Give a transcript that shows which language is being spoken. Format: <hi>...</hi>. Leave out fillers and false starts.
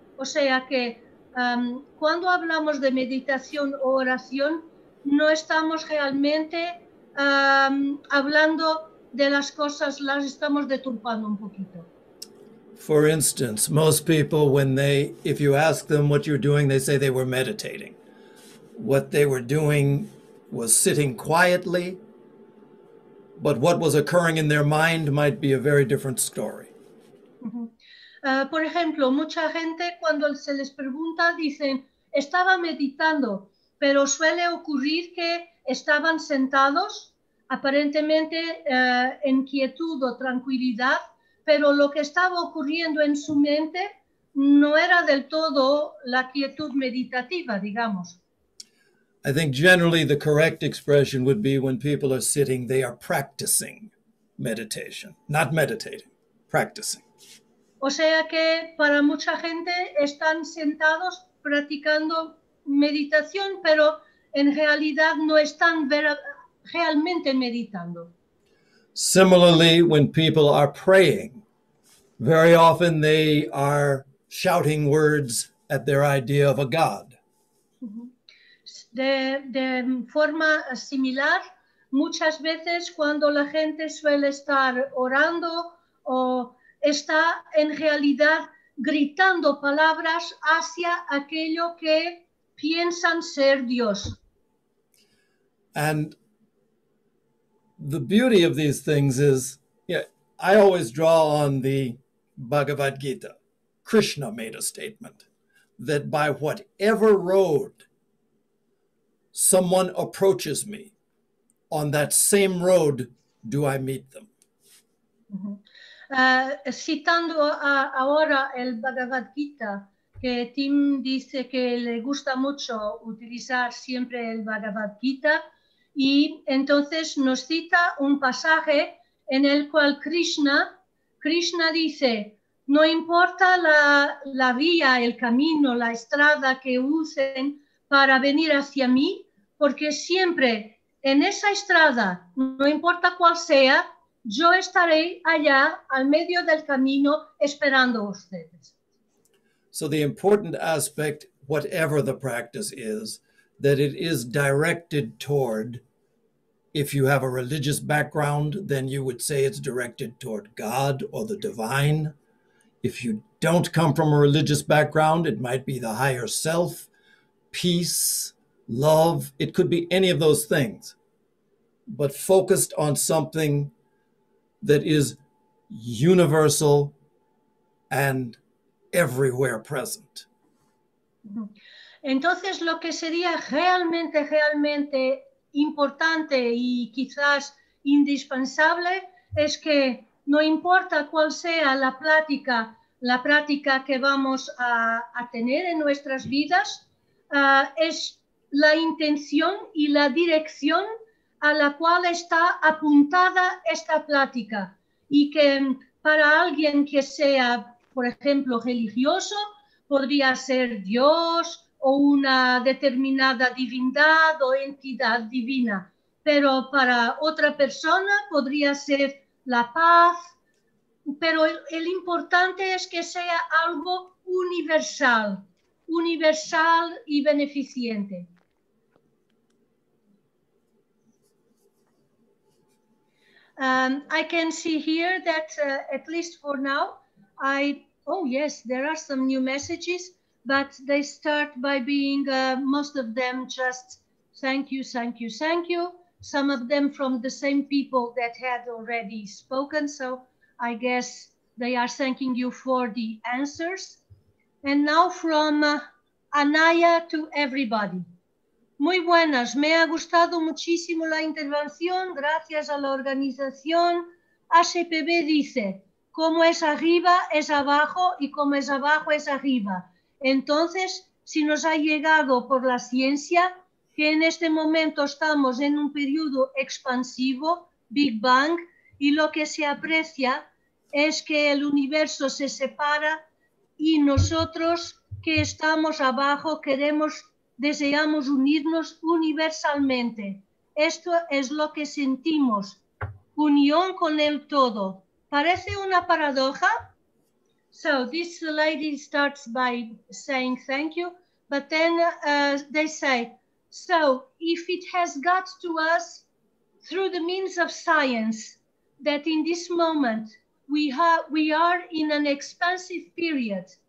<es>O sea que cuando hablamos de meditación o oración, no estamos realmente hablando de las cosas, las estamos deturpando un poquito.</es> <en>For instance, most people, if you ask them what you're doing, they say they were meditating. What they were doing was sitting quietly, but what was occurring in their mind might be a very different story.</en> <es>Por ejemplo, mucha gente cuando se les pregunta dicen, estaba meditando, pero suele ocurrir que estaban sentados, aparentemente en quietud o tranquilidad, pero lo que estaba ocurriendo en su mente no era del todo la quietud meditativa, digamos.</es> <en>I think generally the correct expression would be when people are sitting, they are practicing meditation, not meditating, practicing.</en> <es>O sea que para mucha gente están sentados practicando meditación, pero en realidad no están realmente meditando.</es> <en>Similarly, when people are praying, very often they are shouting words at their idea of a God.</en> <es>De forma similar, muchas veces cuando la gente suele estar orando o está en realidad gritando palabras hacia aquello que piensan ser Dios.</es> <en>And the beauty of these things is, I always draw on the Bhagavad Gita. Krishna made a statement that by whatever road someone approaches me, on that same road do I meet them.</en> <es>Citando ahora el Bhagavad Gita, que Tim dice que le gusta mucho utilizar siempre el Bhagavad Gita, y entonces nos cita un pasaje en el cual Krishna dice, no importa la vía, el camino, la estrada que usen para venir hacia mí, porque siempre en esa estrada, no importa cuál sea, yo estaré allá, al medio del camino, esperando a ustedes.</es> <en>So the important aspect, whatever the practice is, that it is directed toward, if you have a religious background, then you would say it's directed toward God or the divine. If you don't come from a religious background, it might be the higher self, peace, love. It could be any of those things, but focused on something that is universal and everywhere present.</en> <es>Entonces, lo que sería realmente, realmente importante y quizás indispensable es que no importa cuál sea la práctica que vamos a tener en nuestras vidas, es la intención y la dirección a la cual está apuntada esta plática, y que para alguien que sea, por ejemplo, religioso, podría ser Dios o una determinada divinidad o entidad divina, pero para otra persona podría ser la paz, pero el importante es que sea algo universal, universal y beneficiente.</es> <en>I can see here that at least for now, there are some new messages. but they start by being most of them just thank you, thank you, thank you. Some of them from the same people that had already spoken. So I guess they are thanking you for the answers. And now from Anaya to everybody.</en> <es>Muy buenas, me ha gustado muchísimo la intervención, gracias a la organización. HPB dice, como es arriba, es abajo, y como es abajo, es arriba. Entonces, si nos ha llegado por la ciencia, que en este momento estamos en un periodo expansivo, Big Bang, y lo que se aprecia es que el universo se separa y nosotros que estamos abajo queremos, deseamos unirnos universalmente. Esto es lo que sentimos, unión con el todo. ¿Parece una paradoja?</es> <en>So this lady starts by saying thank you, but then they say, so if it has got to us through the means of science that in this moment we are in an expansive period,</en>